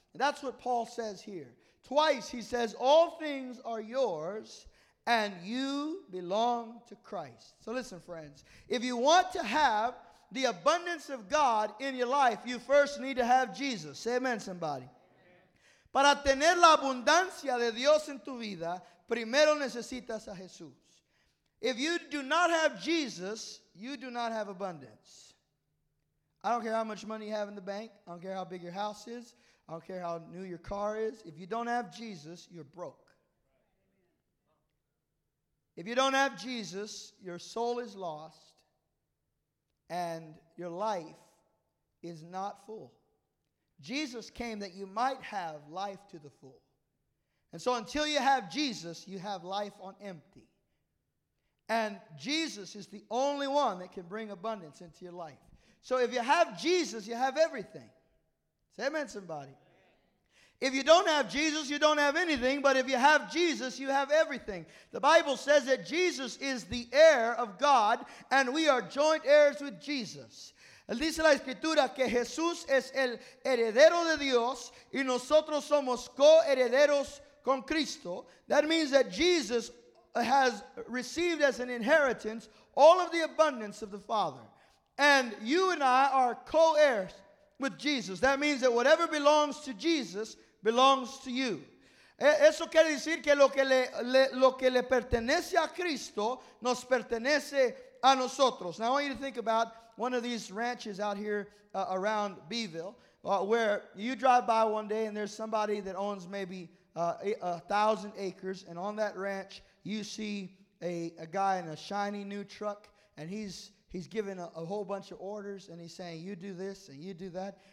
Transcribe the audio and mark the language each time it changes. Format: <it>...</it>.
<en>And that's what Paul says here. Twice he says, all things are yours and you belong to Christ. So listen, friends. If you want to have the abundance of God in your life, you first need to have Jesus. Say amen, somebody.</en> <es>Para tener la abundancia de Dios en tu vida, primero necesitas a Jesús.</es> <en>If you do not have Jesus, you do not have abundance. I don't care how much money you have in the bank. I don't care how big your house is. I don't care how new your car is. If you don't have Jesus, you're broke. If you don't have Jesus, your soul is lost and your life is not full. Jesus came that you might have life to the full. And so until you have Jesus, you have life on empty. And Jesus is the only one that can bring abundance into your life. So if you have Jesus, you have everything. Say amen, somebody. If you don't have Jesus, you don't have anything. But if you have Jesus, you have everything. The Bible says that Jesus is the heir of God, and we are joint heirs with Jesus.</en> <es>Dice la Escritura que Jesús es el heredero de Dios, y nosotros somos coherederos con Cristo.</es> <en>That means that Jesus has received as an inheritance all of the abundance of the Father. And you and I are co-heirs with Jesus. That means that whatever belongs to Jesus belongs to you.</en> <es>Eso quiere decir que lo que le pertenece a Cristo nos pertenece a nosotros.</es> <en>Now I want you to think about one of these ranches out here around Beeville, where you drive by one day and there's somebody that owns maybe 1,000 acres, and on that ranch you see a guy in a shiny new truck, and he's giving a whole bunch of orders, and he's saying, you do this and you do that.</en>